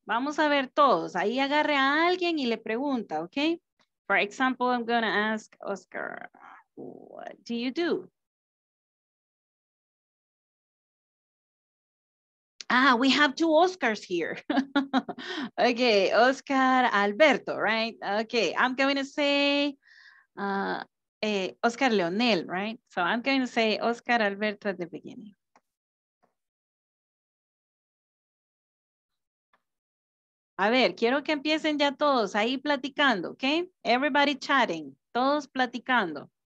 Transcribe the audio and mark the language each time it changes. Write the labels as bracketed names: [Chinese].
[Spanish] Vamos a ver todos, ahí agarre a alguien y le pregunta, okay? [English] For example, I'm gonna ask Oscar, what do you do? Ah, we have two Oscars here. Okay, Oscar Alberto, right? Okay, I'm going to say Oscar Leonel, right? So I'm going to say Oscar Alberto at the beginning. [Spanish] A ver, quiero que empiecen ya todos ahí platicando, ¿ok? [English] Everybody chatting, [Spanish] todos platicando.